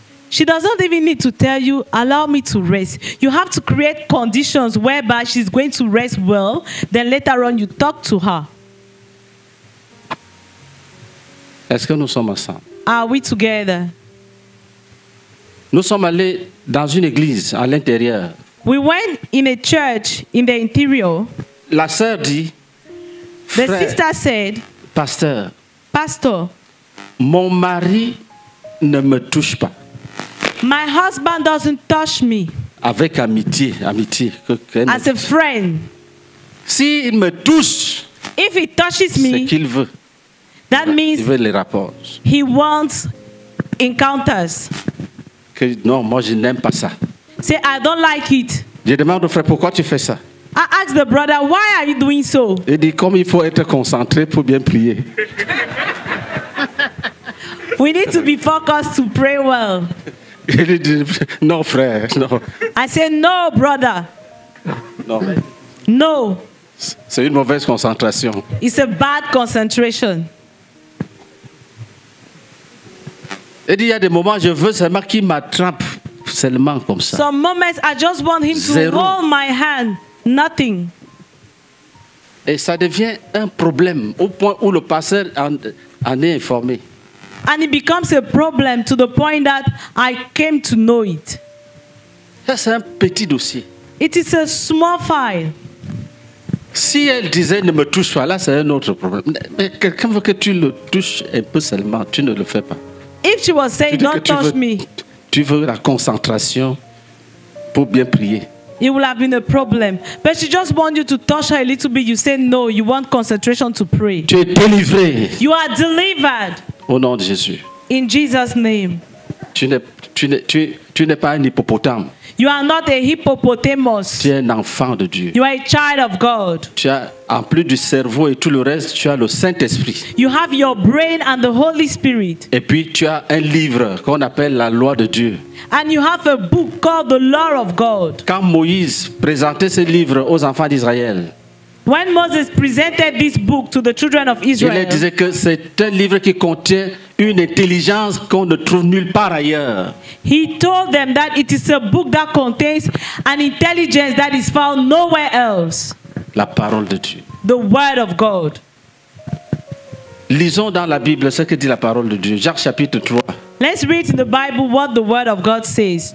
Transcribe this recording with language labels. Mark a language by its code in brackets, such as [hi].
[en] She doesn't even need to tell you, allow me to rest. You have to create conditions whereby she's going to rest well. Then later on, you talk to her. [fr] Est-ce que nous sommes ensemble? [en] Are we together? [fr] Nous sommes allés dans une église à l'intérieur. [en] We went in a church in the interior. [fr] La sœur dit, [en] the sister said, [fr] Pasteur, mon mari ne me touche pas. [en] My husband doesn't touch me. [fr] Avec amitié. [en] As a friend. [fr] Si il me touche, [en] if he touches me, [fr] c'est qu'il veut. [en] That means [fr] il veut les rapports. [en] He wants encounters. [fr] Que, non, moi je n'aime pas ça. [en] Say, I don't like it. [fr] Je demande au frère, pourquoi tu fais ça? [en] I ask the brother, why are you doing so? [fr] Il dit, comme il faut être concentré pour bien prier. [en] We need to be focused to pray well. [fr] Il dit, non frère, non. [en] I say, no brother. [fr] Non. [en] No. [fr] C'est une mauvaise concentration. [en] It's a bad concentration. [fr] Il dit, il y a des moments, je veux seulement qu'il m'attrape seulement comme ça. [en] Some moments, I just want him [fr] zéro. [en] To hold my hand. Nothing. [fr] Et ça devient un problème au point où le pasteur en est informé. [en] And it becomes a problem to the point that I came to know it. [fr] Ça, c'est un petit dossier. [en] It is a small file. [fr] Si elle disait ne me touche pas, là c'est un autre problème. Mais quelqu'un veut que tu le touches un peu seulement, tu ne le fais pas. [en] If she was saying don't touch me. [fr] Tu veux la concentration pour bien prier. [en] It would have been a problem. But she just wants you to touch her a little bit. You say no, you want concentration to pray. [fr] Tu es délivré. [en] You are delivered. [fr] Au nom de Jésus. [en] In Jesus' name. [fr] Tu n'es pas un hippopotame. [en] You are not a hippopotamus. [fr] Tu es un enfant de Dieu. [en] You are a child of God. [fr] Tu as, en plus du cerveau et tout le reste, tu as le Saint-Esprit. [en] You have your brain and the Holy Spirit. [fr] Et puis tu as un livre qu'on appelle la loi de Dieu. [en] And you have a book called the law of God. [fr] Quand Moïse présentait ce livre aux enfants d'Israël, [en] when Moses presented this book to the children of Israel, [fr] il disait que c'est un livre qui contient une intelligence qu'on ne trouve nulle part ailleurs. [en] He told them that it is a book that contains an intelligence that is found nowhere else. [fr] La parole de Dieu. [en] The word of God. [fr] Lisons dans la Bible ce que dit la parole de Dieu. Jacques chapitre 3. [en] Let's read in the Bible what the word of God says.